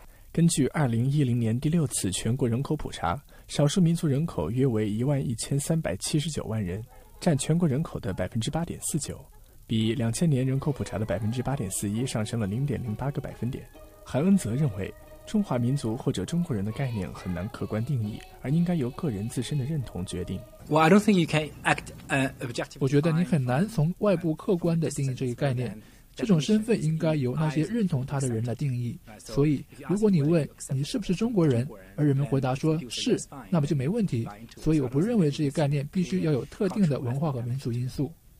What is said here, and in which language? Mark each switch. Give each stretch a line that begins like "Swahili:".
Chinese: 根据2010年第六次全国人口普查，少数民族人口约为11379万人，占全国人口的 8.49%， 比2000年人口普查的 8.41% 上升了 0.08%。韩恩泽认为，中华民族或者中国人的概念很难客观定义，而应该由个人自身的认同决定。
English: Well, I don't think you can act objectively.
Chinese: 我觉得你很难从外部客观地定义这一概念，这种身份应该由那些认同他的人来定义。所以如果你问你是不是中国人，而人们回答说是，那么就没问题。所以我不认为这一概念必须要有特定的文化和民族因素。